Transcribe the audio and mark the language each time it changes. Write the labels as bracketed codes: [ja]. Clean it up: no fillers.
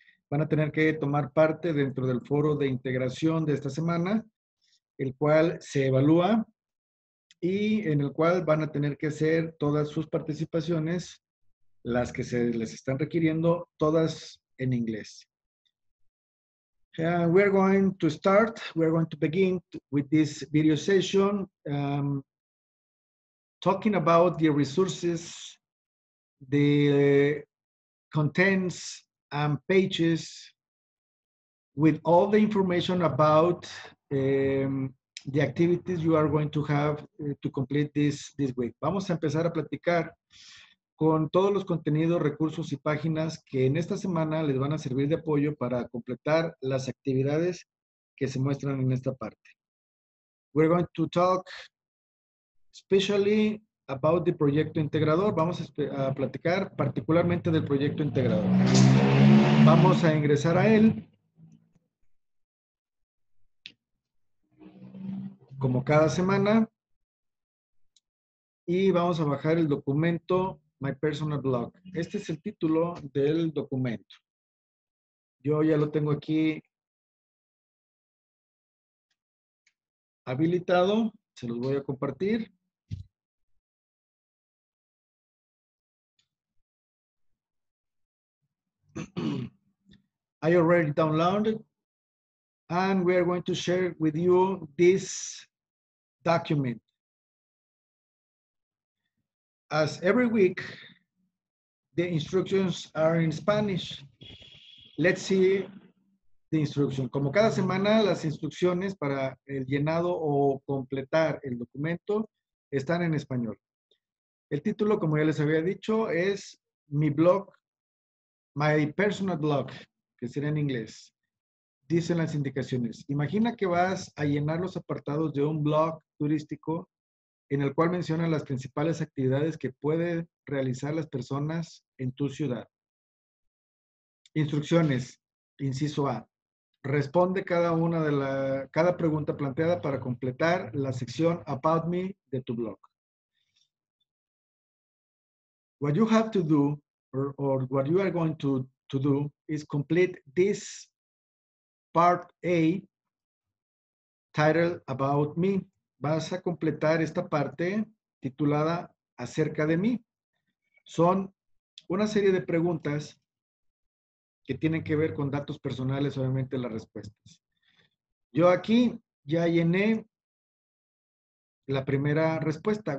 [es] Van a tener que tomar parte dentro del foro de integración de esta semana, el cual se evalúa y en el cual van a tener que hacer todas sus participaciones, las que se les están requiriendo, todas en inglés. [en] We are going to start, we are going to begin with this video session talking about the resources, the contents and pages with all the information about the activities you are going to have to complete this week. [es] Vamos a empezar a platicar con todos los contenidos, recursos y páginas que en esta semana les van a servir de apoyo para completar las actividades que se muestran en esta parte. [en] We're going to talk especially about the proyecto integrador. [es] Vamos a platicar particularmente del proyecto integrador. Vamos a ingresar a él. Como cada semana, y vamos a bajar el documento My Personal Blog. Este es el título del documento. Yo ya lo tengo aquí habilitado. Se los voy a compartir. [en] I already downloaded and we are going to share with you this document. As every week, the instructions are in Spanish. Let's see the instruction. [es] Como cada semana, las instrucciones para el llenado o completar el documento están en español. El título, como ya les había dicho, es mi blog, My Personal Blog, que será en inglés. Dicen las indicaciones. Imagina que vas a llenar los apartados de un blog turístico en el cual menciona las principales actividades que pueden realizar las personas en tu ciudad. Instrucciones. Inciso A. Responde cada pregunta planteada para completar la sección About Me de tu blog. [en] What you have to do, or what you are going to do, is complete this Part A, titled About Me. [es] Vas a completar esta parte titulada Acerca de mí. Son una serie de preguntas que tienen que ver con datos personales, obviamente las respuestas. Yo aquí ya llené la primera respuesta.